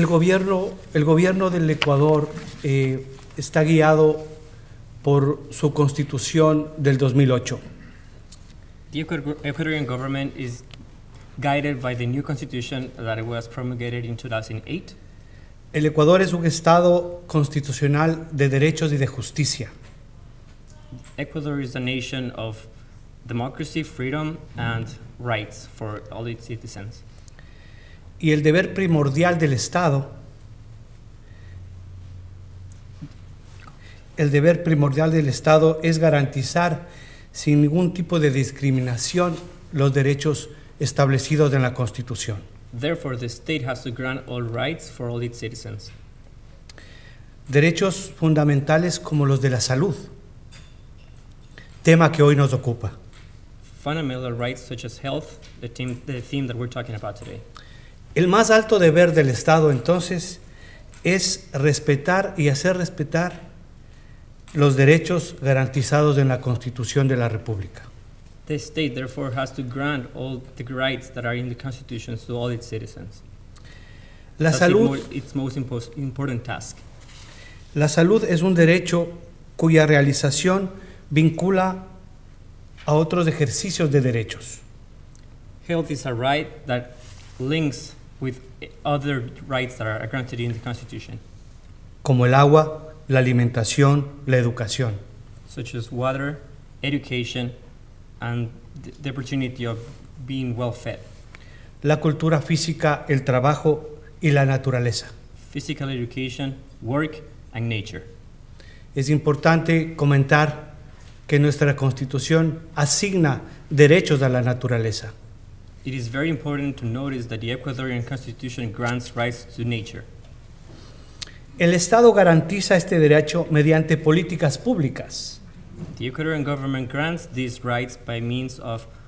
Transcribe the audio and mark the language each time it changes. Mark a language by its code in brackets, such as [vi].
[es] El gobierno del Ecuador está guiado por su constitución del 2008. [en] The Ecuadorian government is guided by the new constitution that was promulgated in 2008. [es] El Ecuador es un estado constitucional de derechos y de justicia. [en] Ecuador is a nation of democracy, freedom, and rights for all its citizens. [es] Y el deber primordial del Estado, es garantizar sin ningún tipo de discriminación los derechos establecidos en la Constitución. [en] Therefore, the state has to grant all rights for all its citizens. [es] Derechos fundamentales como los de la salud, tema que hoy nos ocupa. [en] Fundamental rights such as health, the theme that we're talking about today. [es] El más alto deber del Estado, entonces, es respetar y hacer respetar los derechos garantizados en la Constitución de la República. [en] The state, therefore, has to grant all the rights that are in the Constitution to all its citizens. [es] La salud, [en] its most important task. [es] La salud es un derecho cuya realización vincula a otros ejercicios de derechos. [en] Health is a right that links with other rights that are granted in the Constitution. [es] Como el agua, la alimentación, la educación. [en] Such as water, education, and the opportunity of being well fed. [es] La cultura física, el trabajo y la naturaleza. [en] Physical education, work, and nature. [es] Es importante comentar que nuestra Constitución asigna derechos a la naturaleza. [en] It is very important to notice that the Ecuadorian Constitution grants rights to nature. [es] El Estado garantiza este derecho mediante políticas públicas. [en] The Ecuadorian government grants these rights by means of